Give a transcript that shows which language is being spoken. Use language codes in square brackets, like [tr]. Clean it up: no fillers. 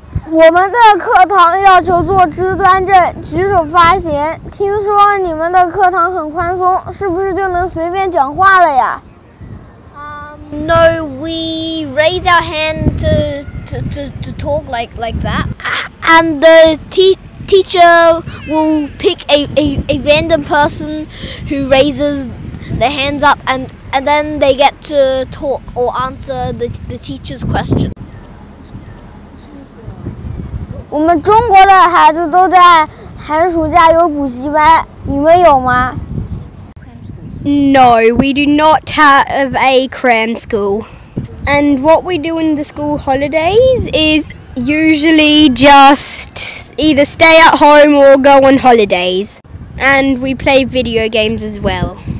[zh] 我们的课堂要求做肢端正，举手发言。听说你们的课堂很宽松，是不是就能随便讲话了呀？ [en] No, we raise our hand to talk like that. And the teacher will pick a random person who raises their hands up and then they get to talk or answer the teacher's question. [zh] 我们中国的孩子都在寒暑假有补习班，你们有吗？ [en] No, we do not have a cram school. And what we do in the school holidays is usually just either stay at home or go on holidays. And we play video games as well.